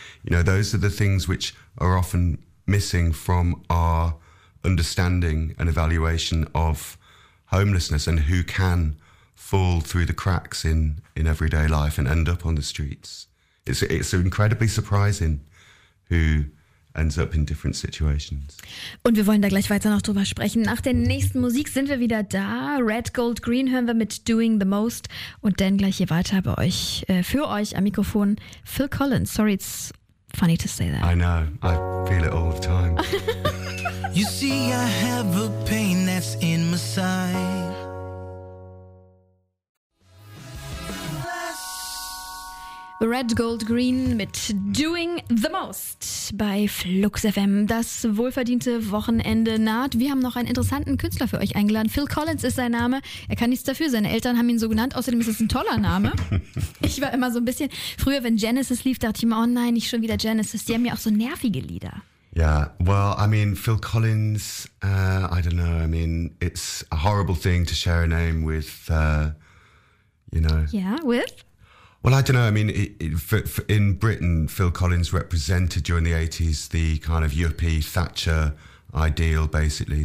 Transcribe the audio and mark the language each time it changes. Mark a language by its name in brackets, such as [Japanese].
[English] You know, those are the things which are often missing from our understanding and evaluation of homelessness and who can fall through the cracks in everyday life and end up on the streets. It's incredibly surprising who ends up in different situations. [German] Und wir wollen da gleich weiter noch drüber sprechen. Nach der nächsten Musik sind wir wieder da. Red, Gold, Green hören wir mit Doing the Most. Und dann gleich hier weiter bei euch, für euch am Mikrofon, Phil Collins. [English] Sorry, it's funny to say that. I know, I feel it all the time. You see, I have a pain that's in my side. [German] Red, Gold, Green mit Doing the Most bei Flux FM. Das wohlverdiente Wochenende naht. Wir haben noch einen interessanten Künstler für euch eingeladen. Phil Collins ist sein Name. Er kann nichts dafür. Seine Eltern haben ihn so genannt. Außerdem ist es ein toller Name. Ich war immer so ein bisschen, früher, wenn Genesis lief, dachte ich mir, oh nein, nicht schon wieder Genesis. Die haben ja auch so nervige Lieder. [English] Yeah, well, I mean, Phil Collins, I don't know. I mean, it's a horrible thing to share a name with, you know. Yeah, with? Well, I don't know. I mean, in Britain, Phil Collins represented during the 80s the kind of yuppie Thatcher ideal, basically.